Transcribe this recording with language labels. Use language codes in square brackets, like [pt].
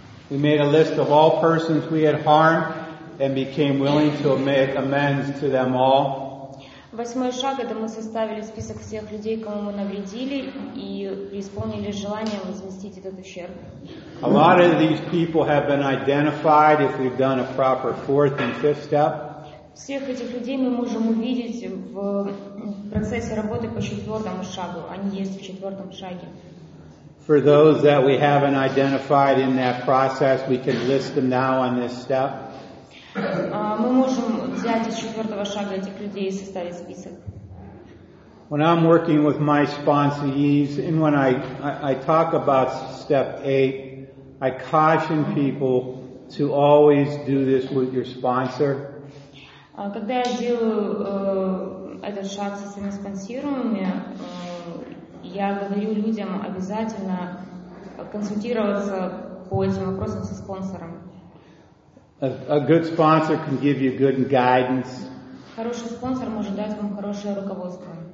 [en] We made a list of all persons we had harmed and became willing to make amends to them all. [ru] Восьмой шаг — это мы составили список всех людей, кому мы навредили, и исполнили желание возместить этот ущерб. [en] A lot of these people have been identified if we've done a proper fourth and fifth step. [ru] Всех этих людей мы можем увидеть в процессе работы по четвертому шагу. Они есть в четвертом шаге. [en] For those that we haven't identified in that process, we can list them now on this step. [ru] Мы можем взять из четвертого шага этих людей и составить список. [en] When I'm working with my sponsees, and when I talk about step 8, I caution people to always do this with your sponsor. [ru] Когда я делаю этот шаг со своими спонсируемыми, я говорю людям обязательно консультироваться по этим вопросам со спонсором. [en] A good sponsor can give you good guidance. [ru] Хороший спонсор может дать вам хорошее руководство.